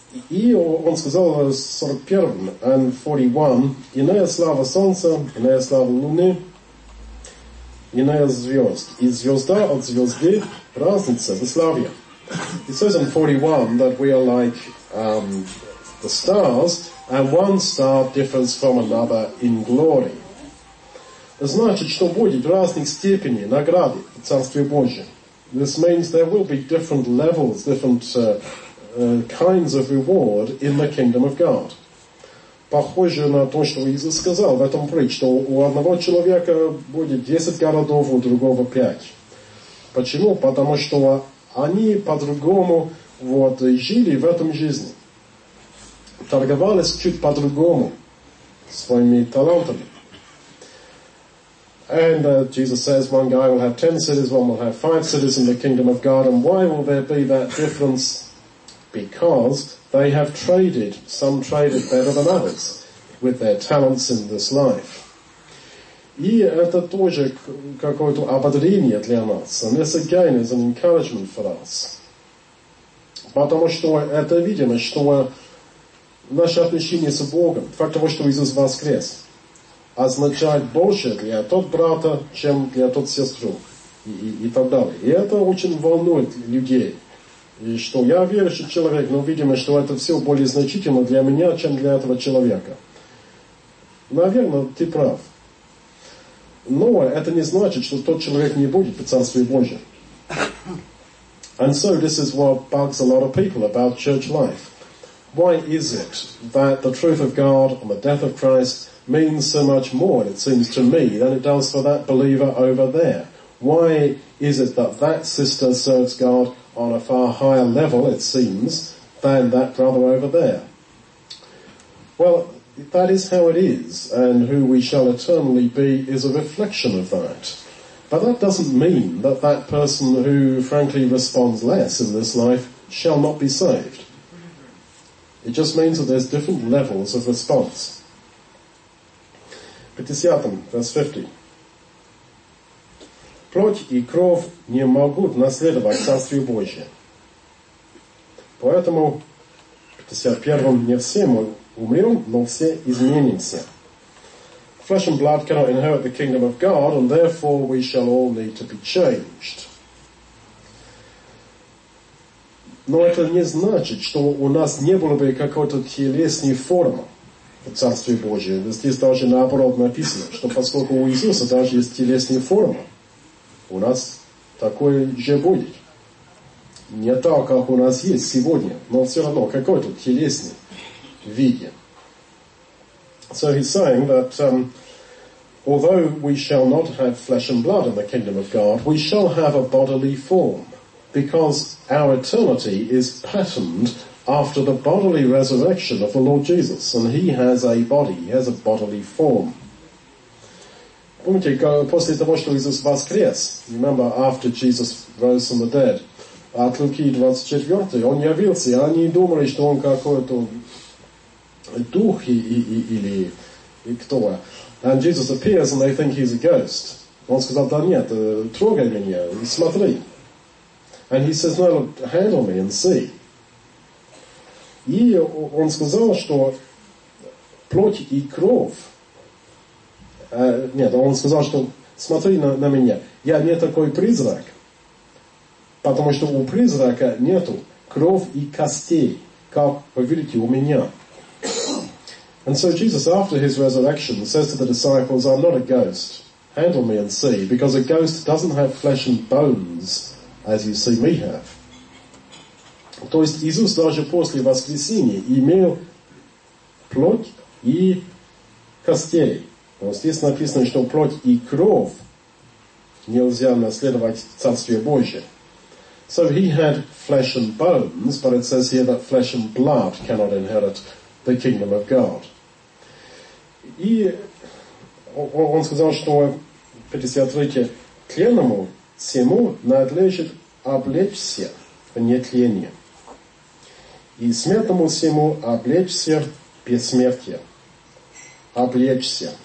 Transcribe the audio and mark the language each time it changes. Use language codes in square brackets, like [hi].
[ru] И он сказал в 41-м, [en] and 41, [ru] иная слава солнца, иная слава луны, иная звезд. И звезда от звезды разница в славе. [en] It says in 41 that we are like the stars, and one star differs from another in glory. [ru] Значит, что будет разных степеней награды в Царстве Божьем. [en] This means there will be different levels, different kinds of reward in the kingdom of God. [ru] Похоже на то, что Иисус сказал в этом притче, что у одного человека будет 10 городов, у другого 5. Почему? Потому что они по-другому жили в этом жизни. Торговались чуть по-другому своими талантами. [en] And Jesus says one guy will have 10 cities, one will have 5 cities in the kingdom of God. And why will there be that difference? Because they have traded, some traded better than others, with their talents in this life. [ru] И это тоже какое-то ободрение для нас. [en] And this again is an encouragement for us. [ru] Потому что это видимо, что наше отношение с Богом, факт того, что Иисус воскрес, означает больше для тот брата, чем для тот сестру. И так далее. И это очень волнует людей. И что я верующий человек, но видимо, что это все более значительно для меня, чем для этого человека. Наверное, ты прав. Но это не значит, что тот человек не будет в Царстве Божьем. [en] And so this is what bugs a lot of people about church life. Why is it that the truth of God and the death of Christ means so much more, it seems to me, than it does for that believer over there? Why is it that that sister serves God on a far higher level, it seems, than that brother over there? Well, that is how it is, and who we shall eternally be is a reflection of that. But that doesn't mean that that person who frankly responds less in this life shall not be saved. It just means that there's different levels of response. [ru] Пятидесятом, [en] verse 50. [ru] Плоть и кровь не могут наследовать Царствие Божие. Поэтому, 51-м, не все мы умрем, но все изменимся. [en] Flesh and blood cannot inherit the kingdom of God, and therefore we shall all need to be changed. [ru] Но это не значит, что у нас не было бы какой-то телесной формы в Царстве Божьем. Здесь даже наоборот написано, что поскольку у Иисуса даже есть телесная форма, у нас такое же будет. Не так, как у нас есть сегодня, но все равно какой-то телесный вид. [en] So he's saying that although we shall not have flesh and blood in the kingdom of God, we shall have a bodily form, because our eternity is patterned after the bodily resurrection of the Lord Jesus, and he has a body, he has a bodily form. [ru] Помните, после того, что Иисус воскрес, [en] remember, after Jesus rose from the dead, [ru] от Луки 24, он явился, они думали, что он какой-то дух или кто. [en] And Jesus appears, and they think he's a ghost. [ru] Он сказал, да нет, трогай меня, смотри. [en] And he says, no, look, handle me and see. [ru] И он сказал, что плоть и кровь, нет, он сказал, что смотри на меня, я не такой призрак, потому что у призрака нету кровь и костей, как вы видите у меня. [en] And so Jesus, after his resurrection, says to the disciples, I'm not a ghost, handle me and see, because a ghost doesn't have flesh and bones, as you see me have. [ru] То есть Иисус даже после воскресения имел плоть и костей. Здесь написано, что плоть и кровь нельзя наследовать Царствие Божие. [en] So he had flesh and bones, but it says here that flesh and blood cannot inherit the kingdom of God. [ru] И он сказал, что в 53-е тленному всему надлежит облечься в нетление. И смертному всему облечься в бессмертие. Облечься.